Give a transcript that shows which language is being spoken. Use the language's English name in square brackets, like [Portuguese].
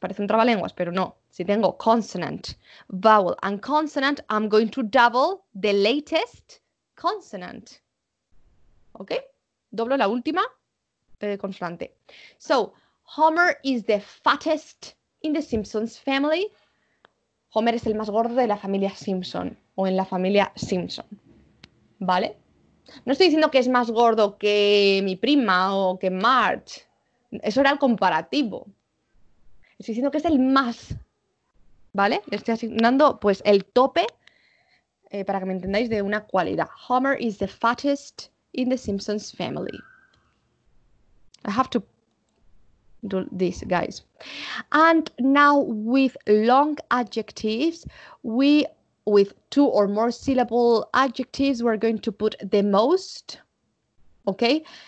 [Spanish] Parece un trabalenguas, pero no. Si tengo [English] consonant, vowel, and consonant, I'm going to double the latest consonant. Okay? [Spanish] Doblo la última consonante. [English] So, Homer is the fattest in the Simpsons family. [Spanish] Homer es el más gordo de la familia Simpson o en la familia Simpson, ¿vale? No estoy diciendo que es más gordo que mi prima o que Marge. Eso era el comparativo. Estoy diciendo que es el más, ¿vale? Le estoy asignando pues el tope para que me entendáis de una cualidad. [English] Homer is the fattest in the Simpsons family. I have to do this, guys. And now with long adjectives, with two or more syllable adjectives, we're going to put the most okay?